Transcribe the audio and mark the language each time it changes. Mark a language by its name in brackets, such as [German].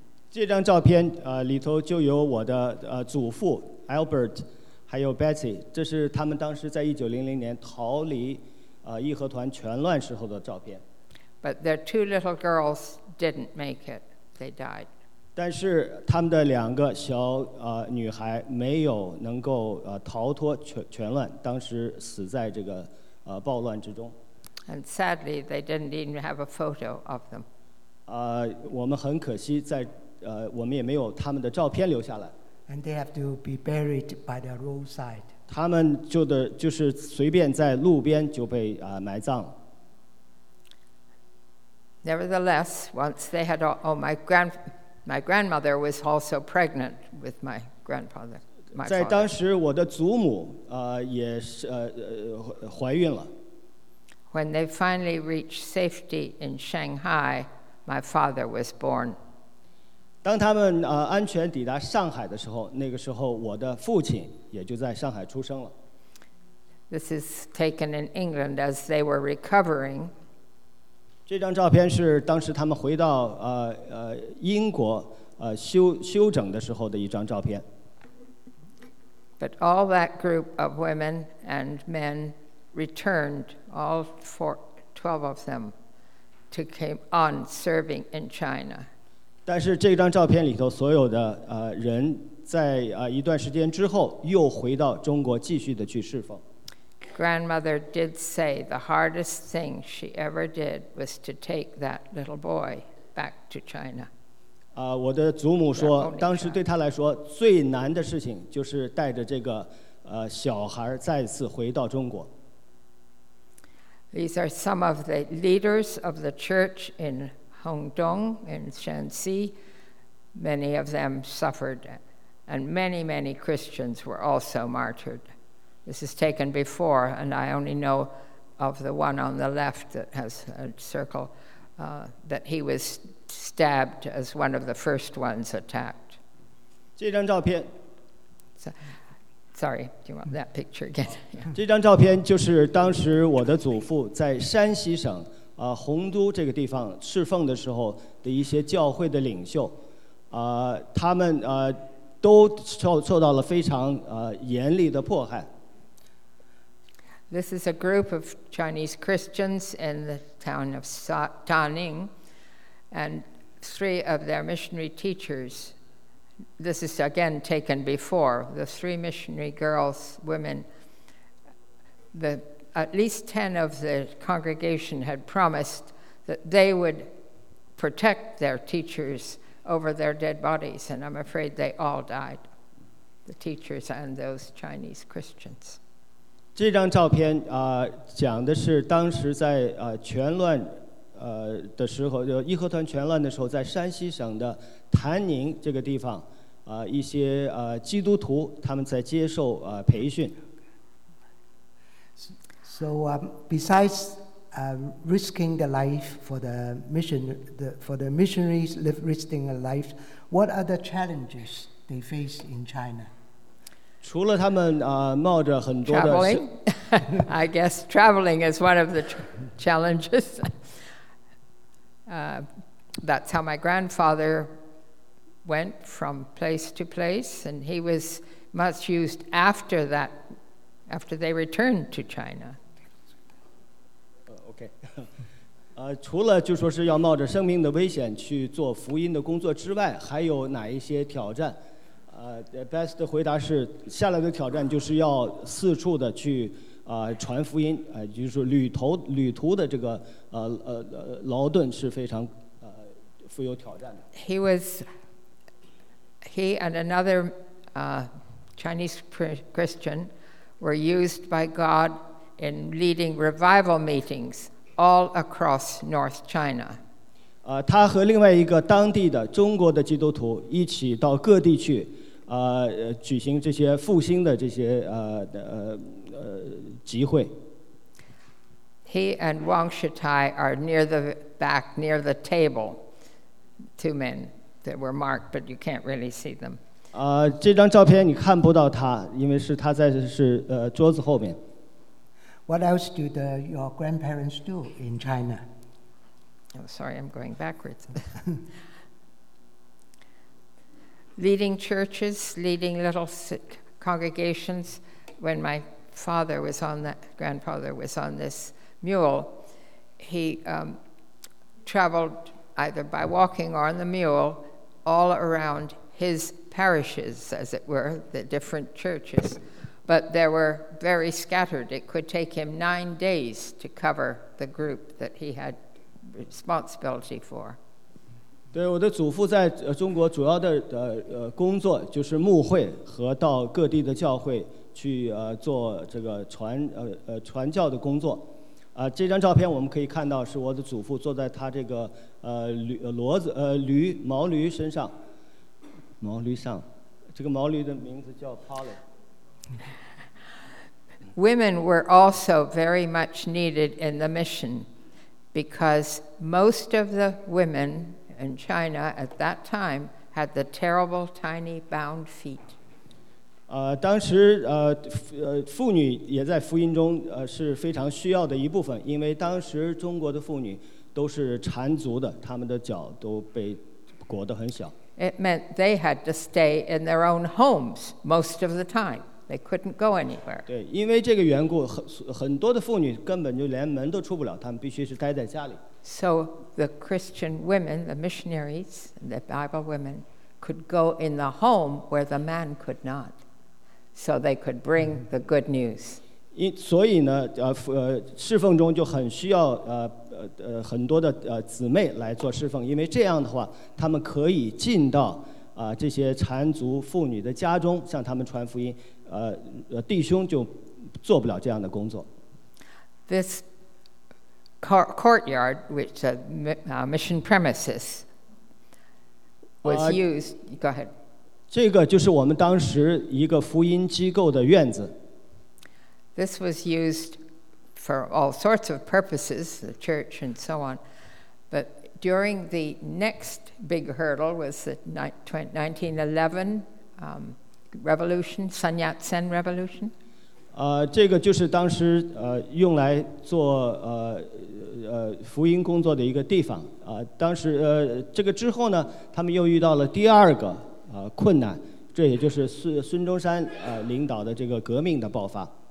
[Chinese] 这张照片里头就有我的祖父 Albert 还有 Bessie， 这是他们当时在1900年逃离义和团全乱时候的照片。 [English] But their two little girls didn't make it. They died. [Chinese] 但是他们的两个小女孩没有能够逃脱全乱，当时死在这个暴乱之中。 [English] And sadly, they didn't even have a photo of them. [Chinese] 我们很可惜在我们也没有他们的照片留下来。 [English] And they have to be buried by the roadside. [Chinese] 他们就是随便在路边就被埋葬了。 [English] Nevertheless, once they had all, my grandmother was also pregnant with my grandfather. [Chinese] 在当时，我的祖母也是怀孕了。 [English] When they finally reached safety in Shanghai, my father was born. [Chinese] 当他们安全抵达上海的时候，那个时候我的父亲也就在上海出生了。 [English] This is taken in England as they were recovering. [Chinese] 这张照片是当时他们回到英国休整的时候的一张照片。 [English] But all that group of women and men returned, all four, 12 of them, to came on serving in China. [Chinese] 但是这张照片里头所有的人在一段时间之后又回到中国继续的去侍奉。 [English] Grandmother did say the hardest thing she ever did was to take that little boy back to China. [Chinese] 我的祖母说，当时对她来说最难的事情就是带着这个小孩再次回到中国。 [English] These are some of the leaders of the church in Hongdong, in Shanxi. Many of them suffered, and many, many Christians were also martyred. This is taken before, and I only know of the one on the left that has a circle, that he was stabbed as one of the first ones attacked. [Chinese] 这张照片 [English] Sorry, do you want that picture again? [Chinese] 这张照片就是当时我的祖父在山西省洪都这个地方侍奉的时候的一些教会的领袖，他们都受到了非常严厉的迫害。 [English] This is a group of Chinese Christians in the town of Daning, and three of their missionary teachers. This is again taken before. The three missionary girls, women, at least 10 of the congregation had promised that they would protect their teachers over their dead bodies, and I'm afraid they all died, the teachers and those Chinese Christians. [Chinese] 这张照片讲的是当时在全乱的时候，就义和团全乱的时候，在山西省的谭宁这个地方，一些基督徒他们在接受培训。 [English] So besides risking the life for the mission, for the missionaries risking a life, what other challenges they face in China? [Chinese] 除了他们冒着很多的 [English] traveling, I guess traveling is one of the challenges. That's how my grandfather went from place to place, and he was much used after that, after they returned to China. Okay. [Chinese] 除了就说是要冒着生命的危险去做福音的工作之外，还有哪一些挑战？ Best 的回答是下来的挑战就是要四处的去传福音，就是旅途的这个劳顿是非常富有挑战的。 [English] He and another Chinese Christian were used by God in leading revival meetings all across North China. [Chinese] 他和另外一个当地的中国的基督徒一起到各地去，举行这些复兴的这些集会。 [English] He and Wang Shitai are near the back, near the table. Two men that were marked, but you can't really see them. [Chinese] 这张照片你看不到他，因为是他在是桌子后面。 [English] What else do the, your grandparents do in China? Oh, sorry, I'm going backwards. Leading churches, leading little congregations. When my father was on that, grandfather was on this mule, he traveled either by walking or on the mule all around his parishes, as it were, the different churches. But they were very scattered. It could take him 9 days to cover the group that he had responsibility for. [Chinese] 对，我的祖父在中国主要的工作就是牧会和到各地的教会去做这个传教的工作。这张照片我们可以看到是我的祖父坐在他这个毛驴上，这个毛驴的名字叫 Polly。 [English] Women were also very much needed in the mission because most of the women in China at that time had the terrible tiny bound feet. [Chinese] 当时妇女也在福音中是非常需要的一部分，因为当时中国的妇女都是缠足的，她们的脚都被裹得很小。 [English] It meant they had to stay in their own homes most of the time. They couldn't go anywhere. [Chinese] 对，因为这个缘故，很多的妇女根本就连门都出不了，她们必须是待在家里。 [English] So the Christian women, the missionaries, and the Bible women could go in the home where the man could not, so they could bring the good news. [Chinese] 所以呢，侍奉中就很需要很多的姊妹来做侍奉，因为这样的话，他们可以进到这些缠足妇女的家中，向他们传福音。弟兄就做不了这样的工作。 [English] This courtyard, which is mission premises, was used. Go ahead. [Chinese] 这个就是我们当时一个福音机构的院子。 [English] This was used for all sorts of purposes, the church and so on. But during the next big hurdle was the 1911 revolution, Sun Yat-sen revolution. [Chinese] 这个就是当时用来做福音工作的一个地方。当时这个之后呢，他们又遇到了第二个困难，这也就是孙中山领导的这个革命的爆发。